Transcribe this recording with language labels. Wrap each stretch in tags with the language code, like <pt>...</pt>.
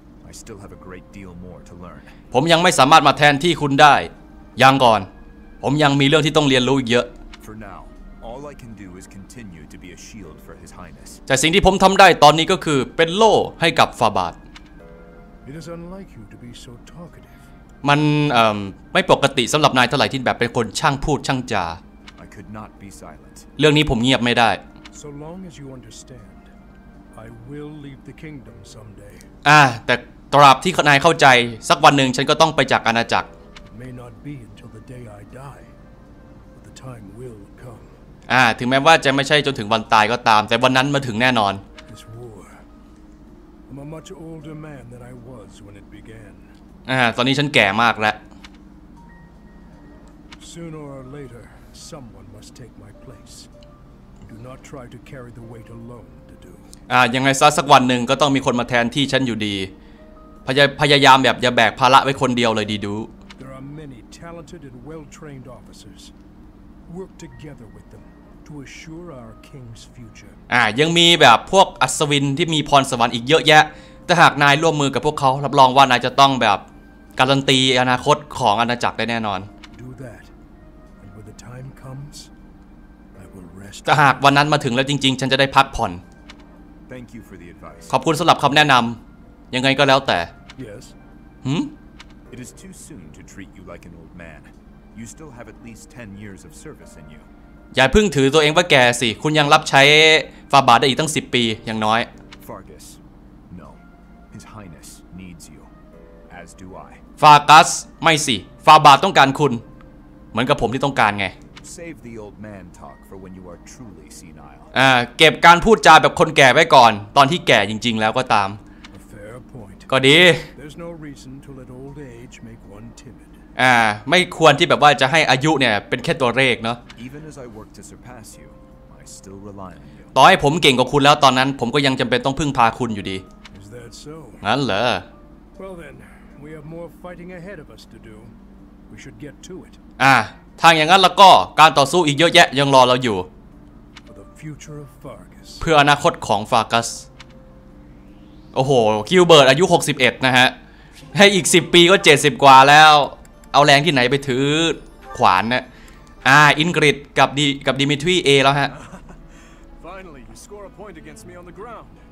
<en>I still have a great deal more to learn.</en> <th>ผมยังไม่สามารถมาแทนที่คุณได้ยังก่อนผมยังมีเรื่องที่ต้องเรียนรู้อีกเยอะ</th> <en>For now, all I can do is continue to be a shield for His Highness.</en> <th>แต่สิ่งที่ผมทำได้ตอนนี้ก็คือเป็นโล่ให้กับฟาบาท</th> <en>It is unlike you to be so talkative.</en> <th>มันไม่ปกติสำหรับนายเท่าไหร่ที่แบบเป็นคนช่างพูดช่างจา</th> <en>I could not be silent.</en> <th>เรื่องนี้ผมเงียบไม่ได้</th> <en>So long as you understand, I will leave the kingdom someday.</en> <th>แต่ตราบที่นายเข้าใจสักวันหนึ่งฉันก็ต้องไปจากอาณาจักร</th> <en>May not be until the day I die, but the time will come.</en> <th>ถึงแม้ว่าจะไม่ใช่จนถึงวันตายก็ตามแต่วันนั้นมาถึงแน่นอน</th> <en>This war. I'm a much older man than I was when it began.</en> <th>ตอนนี้ฉันแก่มากแล้ว</th> <en>Sooner or later, someone must take my place. Do not try to carry the weight alone to do.</en> <th>ยังไงซะสักวันหนึ่งก็ต้องมีคนมาแทนที่ฉันอยู่ดีพยายามแบบอย่าแบกภาระไว้คนเดียวเลยดีดู</th> <en>Many talented and well-trained officers work together with them to assure our king's future.</en> <th>ยังมีแบบพวกอัศวินที่มีพรสวรรค์อีกเยอะแยะแต่หากนายร่วมมือกับพวกเขารับรองว่านายจะต้องแบบการันตีอนาคตของอาณาจักรได้แน่นอน</th> <en>Do that. And when the time comes, I will rest.</en> <th>แต่หากวันนั้นมาถึงแล้วจริงๆฉันจะได้พักผ่อน</th> <en>Thank you for the advice.</en> <th>ขอบคุณสำหรับคำแนะนำยังไงก็แล้วแต่</th> <en>Yes. It is too soon to treat you like an old man. You still have at least 10 years of service in you.</en> <th>อย่าพึ่งถือตัวเองว่าแก่สิคุณยังรับใช้ฟาบาทได้อีกตั้ง10ปีอย่างน้อย</th> <en>Fargus. No. His Highness needs you as do I.</en> <th>Fargus, ไม่สิฟาบาทต้องการคุณเหมือนกับผมที่ต้องการไง</th> <en>Save the old man talk for when you are truly senile.</en> <th>เก็บการพูดจาแบบคนแก่ไว้ก่อนตอนที่แก่จริงๆแล้วก็ตามก็ดี</th> <en>There's no reason to let old age make one timid.</en> <th>ไม่ควรที่แบบว่าจะให้อายุเนี่ยเป็นแค่ตัวเลขเนาะ</th> <en>Even as I work to surpass you, I still rely on you.</en> <th>ต่อให้ผมเก่งกว่าคุณแล้วตอนนั้นผมก็ยังจำเป็นต้องพึ่งพาคุณอยู่ดี</th> <en>Is that so?</en> <th>งั้นเหรอ</th> <en>Well then, we have more fighting ahead of us to do. We should get to it.</en> <th>ทางอย่างนั้นแล้วก็การต่อสู้อีกเยอะแยะยังรอเราอยู่</th> <en>For the future of Fargus.</en> <th>เพื่ออนาคตของฟาร์กัสโอ้โหกิลเบิร์ตอายุ61นะฮะให้อีก10ปีก็70กว่าแล้วเอาแรงที่ไหนไปถือขวานนะอินกริดกับดิมิทรีเอแล้วฮะ</th> <en>Finally, you score a point against me on the ground.</en>